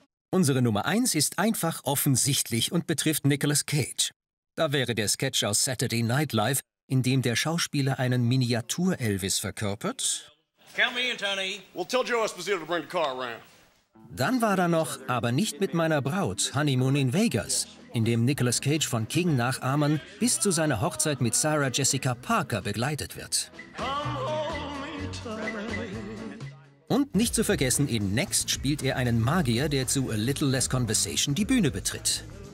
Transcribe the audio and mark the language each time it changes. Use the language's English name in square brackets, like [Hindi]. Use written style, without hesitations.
[German] Unsere Nummer 1 ist einfach offensichtlich und betrifft Nicolas Cage. Da wäre der Sketch aus Saturday Night Live, in dem der Schauspieler einen Miniatur-Elvis verkörpert. [English] Count me in, Tony. We'll tell Joe Esposito to bring the car around. [German] Dann war da noch Aber nicht mit meiner Braut, Honeymoon in Vegas, in dem Nicolas Cage von King-Nachahmern bis zu seiner Hochzeit mit Sarah Jessica Parker begleitet wird. Und nicht zu vergessen, in Next spielt er einen Magier, der zu A Little Less Conversation die Bühne betritt.